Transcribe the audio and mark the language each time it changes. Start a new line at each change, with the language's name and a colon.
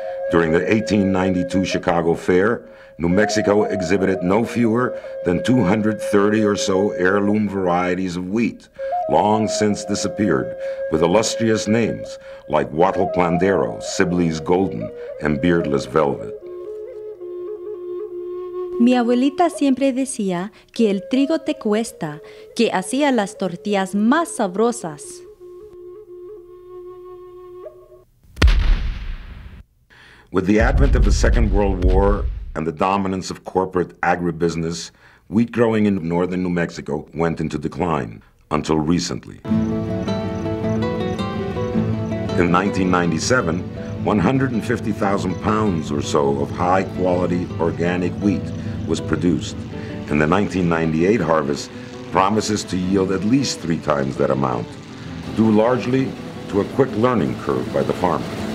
English: During the 1892 Chicago Fair, New Mexico exhibited no fewer than 230 or so heirloom varieties of wheat, long since disappeared, with illustrious names like Wattle Plandero, Sibley's Golden, and Beardless Velvet.
Spanish: Mi abuelita siempre decía que el trigo te cuesta, que hacía las tortillas más sabrosas.
English: With the advent of the Second World War and the dominance of corporate agribusiness, wheat growing in northern New Mexico went into decline until recently. In 1997, 150,000 pounds or so of high-quality organic wheat was produced, and the 1998 harvest promises to yield at least three times that amount, due largely to a quick learning curve by the farmer.